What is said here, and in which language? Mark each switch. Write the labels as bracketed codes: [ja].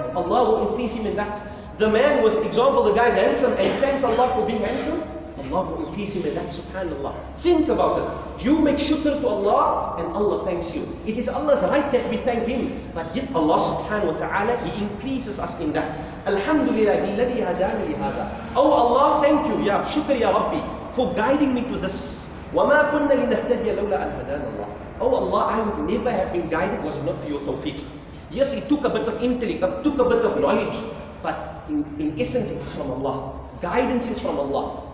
[en] Allah will increase him in that. The man with example, the guy's handsome and thanks Allah for being handsome. Allah will increase him in that, subhanAllah. Think about it. You make shukr to Allah and Allah thanks you. It is Allah's right that we thank Him. But yet Allah subhanahu wa ta'ala, He increases us in that. [ar] Alhamdulillah, الَّذِي هَدَانِ لِهَذَا. [en] Oh Allah, thank you. Ya shukr ya Rabbi, for guiding me to this. [ar] وَمَا كُنَّ لِنَهْتَدِيَ لَوْلَا أَنْ هَدَانَ اللَّهِ. [en] Oh Allah, I would never have been guided was not for your tawfiq. Yes, it took a bit of intellect, it took a bit of knowledge. But in essence, it is from Allah. Guidance is from Allah.